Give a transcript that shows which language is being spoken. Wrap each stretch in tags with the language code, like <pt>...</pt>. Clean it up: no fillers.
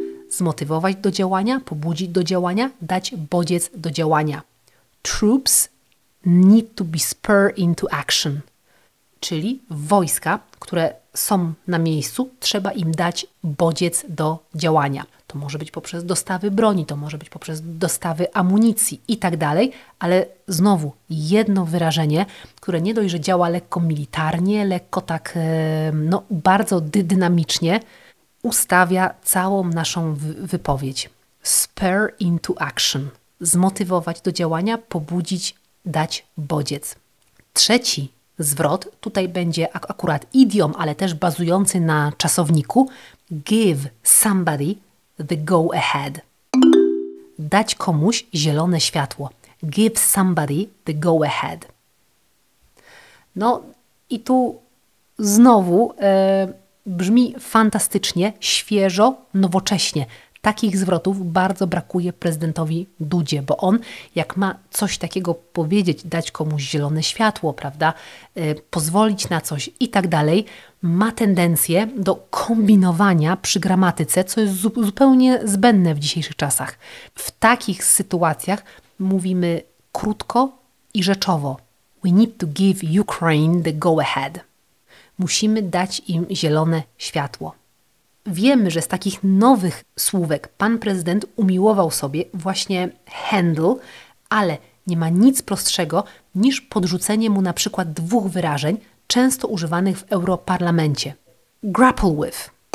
<pl>Zmotywować do działania, pobudzić do działania, dać bodziec do działania.</pl> <en>Troops need to be spurred into action.</en> <pl>Czyli wojska, które są na miejscu, trzeba im dać bodziec do działania. To może być poprzez dostawy broni, to może być poprzez dostawy amunicji i tak dalej, ale znowu jedno wyrażenie, które nie dość, że działa lekko militarnie, lekko tak no, bardzo dynamicznie, ustawia całą naszą wypowiedź.</pl> <en>Spur into action.</en> <pl>Zmotywować do działania, pobudzić, dać bodziec. Trzeci zwrot, tutaj będzie akurat idiom, ale też bazujący na czasowniku.</pl> <en>Give somebody the go ahead.</en> <pl>Dać komuś zielone światło.</pl> <en>Give somebody the go ahead.</en> <pl>No i tu znowu brzmi fantastycznie, świeżo, nowocześnie. Takich zwrotów bardzo brakuje prezydentowi Dudzie, bo on jak ma coś takiego powiedzieć, dać komuś zielone światło, prawda, pozwolić na coś i tak dalej, ma tendencję do kombinowania przy gramatyce, co jest zupełnie zbędne w dzisiejszych czasach. W takich sytuacjach mówimy krótko i rzeczowo.</pl> <en>We need to give Ukraine the go-ahead.</en> <pl>Musimy dać im zielone światło. Wiemy, że z takich nowych słówek pan prezydent umiłował sobie właśnie handle, ale nie ma nic prostszego niż podrzucenie mu na przykład dwóch wyrażeń, często używanych w europarlamencie.</pl> <en>Grapple with.</en>